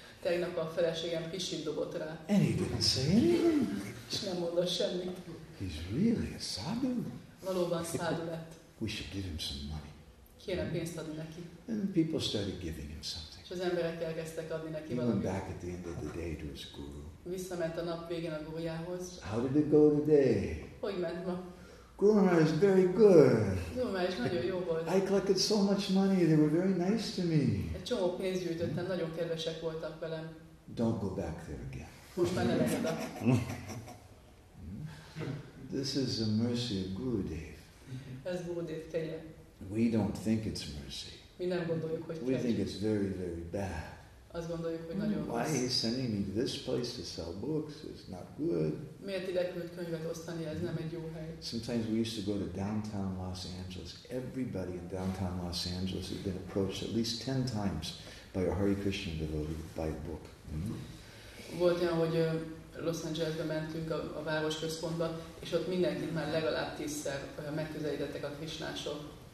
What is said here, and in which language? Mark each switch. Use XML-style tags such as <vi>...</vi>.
<hu>Tegnap a feleségem kisit dobott rá.</hu> <en>And he didn't say anything.</en> <hu>És nem mondott semmit.</hu> <en>He's really a sadhu.</en> <hu>Valóban sadhu lett.</hu> <en>We should give him some money.</en> <hu>Kéne pénzt adni neki.</hu> <en>And people started giving him something.</en> <hu>És az emberek elkezdtek adni neki valamit.</hu> <en>He went back at the end of the day to his guru.</en> <hu>Visszament a nap végén a gurujához.</hu> <en>How did it go today?</en> <hu>Hogy ment ma?</hu> <en>Guru Maharaj is very good.</en> <hu>Guru Maharaj is nagyon jó volt.</hu> <en>I collected so much money, they were very nice to me.</en> <hu>Egy csomó pénzt gyűjtöttem, nagyon kedvesek voltak velem.</hu> <en>Don't go back there again.</en> <hu>Most már nem megyek oda.</hu> <en>This is the mercy of Gurudev.</en> <hu>Ez Gurudev kegye.</hu> <en>We don't think it's mercy.</en> <hu>Mi nem gondoljuk, hogy kegy.</hu> <en>We think it's very, very bad.</en> <hu>Azt gondoljuk, hogy nagyon rossz.</hu> <en>Why he's sending me to this place to sell books is not good.</en> <hu>Miért ide küld könyvet osztani, ez nem egy jó hely.</hu> <en>Sometimes we used to go to downtown Los Angeles. Everybody in downtown Los Angeles had been approached at least 10 times by a Hare Krishna devotee to buy a book.</en> <hu>Volt olyan, hogy Los Angelesbe mentünk a város központba, és ott mindenkit már legalább 10-szer megközelítettek a Krishnások.</hu>